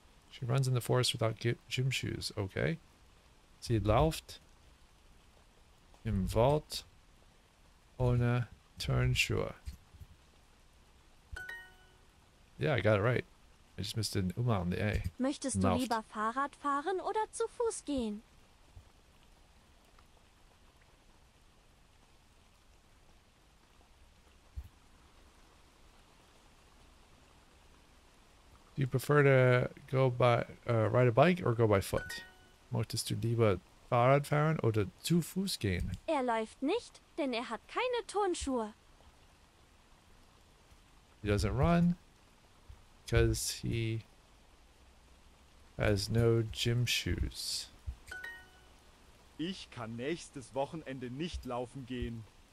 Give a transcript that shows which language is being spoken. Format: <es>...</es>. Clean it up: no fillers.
<en>She runs in the forest without gym shoes. Okay.</en> <de>Sie läuft im Wald ohne Turnschuhe.</de> <en>Yeah, I got it right. I just missed an umlaut on the A.</en> <de>Möchtest du lieber Fahrrad fahren oder zu Fuß gehen?</de> <en>Do you prefer to go by ride a bike or go by foot?</en> <de>Möchtest du lieber Fahrrad fahren oder zu Fuß gehen? Er läuft nicht, denn er hat keine Turnschuhe.</de> <en>He doesn't run because he has no gym shoes.</en> <de>Ich kann nächstes Wochenende nicht laufen gehen.</de>